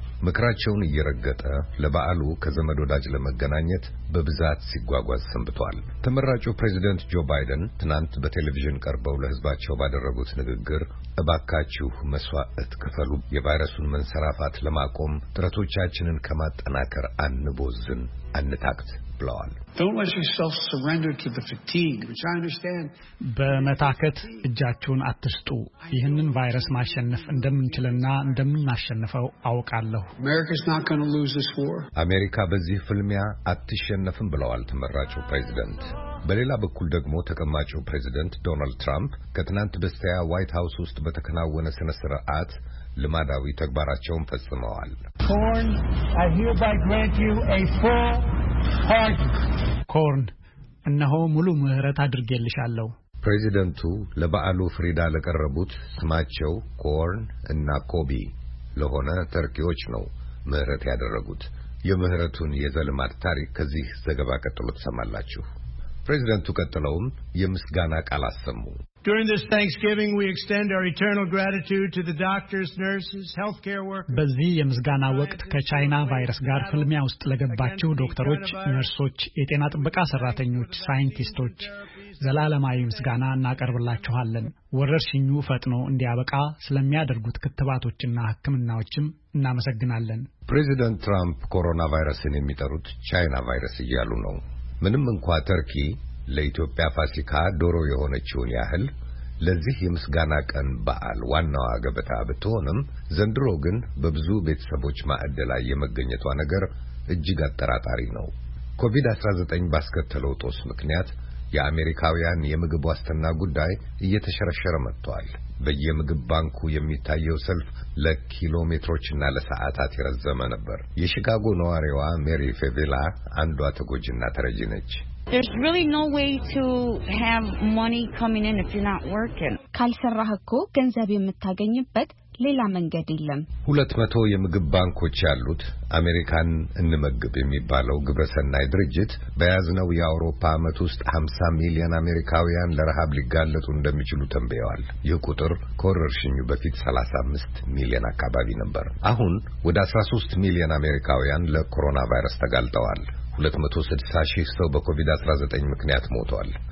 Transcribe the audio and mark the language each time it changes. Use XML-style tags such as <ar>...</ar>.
<am>ምክራቸውን እየረገጠ ለበዓሉ ከዘመድ ወዳጅ ለመገናኘት በብዛት ሲጓጓዝ ሰንብቷል። ተመራጩ ፕሬዝዳንት ጆ ባይደን ትናንት በቴሌቪዥን ቀርበው ለህዝባቸው ባደረጉት ንግግር እባካችሁ መስዋዕት ከፈሉ፣ የቫይረሱን መንሰራፋት ለማቆም ጥረቶቻችንን ከማጠናከር አንቦዝን አንታክት ብለዋል።</am> <en>Don't let yourself surrender to the fatigue, which I understand.</en> <am>በመታከት እጃችሁን አትስጡ። ይህንን ቫይረስ ማሸነፍ እንደምንችልና እንደምናሸነፈው አውቃለሁ።</am> <en>America's not going to lose this war.</en> <am>አሜሪካ በዚህ ፍልሚያ አትሸነፍም ብለዋል ተመራጩ ፕሬዝዳንት። በሌላ በኩል ደግሞ ተቀማጩ ፕሬዝዳንት ዶናልድ ትራምፕ ከትናንት በስቲያ ዋይት ሃውስ ውስጥ በተከናወነ ስነ ስርዓት ለማዳዊ ተግባራቸውን ፈጽመዋል።</am> <en>Corn, I hereby grant you a full pardon.</en> <am>Corn, እነሆ ሙሉ ምህረት አድርጌልሻለሁ። ፕሬዝዳንቱ ለበዓሉ ፍሪዳ ለቀረቡት ስማቸው Corn እና Kobe ለሆነ ተርኪዎች ነው ምህረት ያደረጉት። የምህረቱን የዘልማድ ታሪክ ከዚህ ዘገባ ቀጥሎ ተሰማላችሁ። ፕሬዝዳንቱ ቀጥለውም የምስጋና ቃል አሰሙ።</am> <en>During this Thanksgiving, we extend our eternal gratitude to the doctors, nurses, healthcare workers.</en> <am>በዚህ የምስጋና ወቅት ከቻይና ቫይረስ ጋር ፍልሚያ ውስጥ ለገባችሁ ዶክተሮች፣ ነርሶች፣ የጤና ጥበቃ ሰራተኞች፣ ሳይንቲስቶች ዘላለማዊ ምስጋና እናቀርብላችኋለን። ወረርሽኙ ፈጥኖ እንዲያበቃ ስለሚያደርጉት ክትባቶችና ሕክምናዎችም እናመሰግናለን። ፕሬዝዳንት ትራምፕ ኮሮና ቫይረስን የሚጠሩት ቻይና ቫይረስ እያሉ ነው። ምንም እንኳን ተርኪ ለኢትዮጵያ ፋሲካ ዶሮ የሆነችውን ያህል ለዚህ የምስጋና ቀን በዓል ዋናው አገበታ ብትሆንም ዘንድሮ ግን በብዙ ቤተሰቦች ማዕድ ላይ የመገኘቷ ነገር እጅግ አጠራጣሪ ነው። ኮቪድ-19 ባስከተለው ጦስ ምክንያት የአሜሪካውያን የምግብ ዋስትና ጉዳይ እየተሸረሸረ መጥቷል። በየምግብ ባንኩ የሚታየው ሰልፍ ለኪሎ ሜትሮችና ለሰዓታት ይረዘመ ነበር። የሺካጎ ነዋሪዋ ሜሪ ፌቪላ አንዷ ተጎጂና ተረጂ ነች።</am> <en>There's really no way to have money coming in if you're not working.</en> <am>ካልሰራህኮ ገንዘብ የምታገኝበት ሌላ መንገድ የለም። 200 የምግብ ባንኮች ያሉት አሜሪካን እንመግብ የሚባለው ግብረሰናይ ድርጅት በያዝነው የአውሮፓ አመት ውስጥ 50 ሚሊዮን አሜሪካውያን ለረሃብ ሊጋለጡ እንደሚችሉ ተንብየዋል። ይህ ቁጥር ኮረርሽኙ በፊት 35 ሚሊዮን አካባቢ ነበር። አሁን ወደ 13 ሚሊዮን አሜሪካውያን ለኮሮና ቫይረስ ተጋልጠዋል። 260,000 ሰው በኮቪድ-19 ምክንያት ሞቷል።</am>